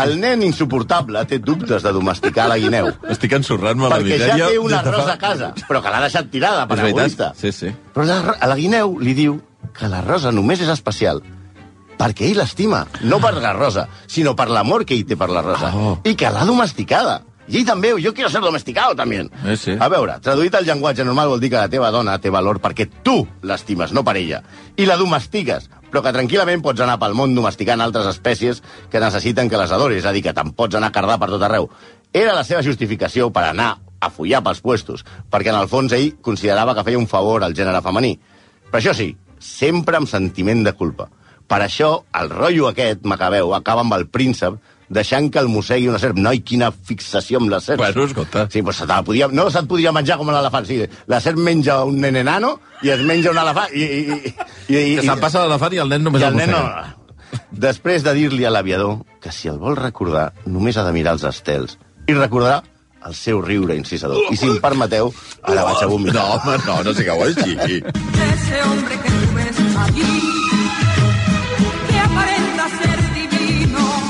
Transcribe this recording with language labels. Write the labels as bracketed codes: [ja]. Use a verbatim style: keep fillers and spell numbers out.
[ca] El nen insuportable té dubtes de domesticar la guineu. Estic ensorrant-me la misèria. Perquè ja té una rosa a casa, però que l'ha deixat tirada per egoista. Sí, sí. Però la, la guineu li diu que la rosa només és especial perquè ell l'estima, no per la rosa, sinó per l'amor que ell té per la rosa. Oh. I que l'ha domesticada. I també, jo [es] quiero ser domesticado, también. [ca] Eh, sí. A veure, traduït al llenguatge normal vol dir que la teva dona té valor perquè tu l'estimes, no per ella. I la domestiques, però que tranquil·lament pots anar pel món domesticant altres espècies que necessiten que les adoris, és a dir, que te'n pots anar a cardar per tot arreu. Era la seva justificació per anar a follar pels puestos, perquè en el fons ell considerava que feia un favor al gènere femení. Però això sí, sempre amb sentiment de culpa. Per això, el rotllo aquest, macabeu, acaba amb el príncep deixant que el mossegui una serp. Noi, quina fixació amb la serp. Bueno, escolta. Sí, pues se podia, no se't podia menjar com un elefant. Sí, la serp menja un nen enano i es menja un elefant. I, i, i, i, que se'n passa l'elefant i el nen només el, el mossegui. No. Després de dir-li a l'aviador que si el vol recordar només ha de mirar els estels i recordarà el seu riure incisador. I si em permeteu, ara vaig a vomitar. No, home, no, no sigueu així. [es] Ese hombre que tu ves allí que aparenta ser divino.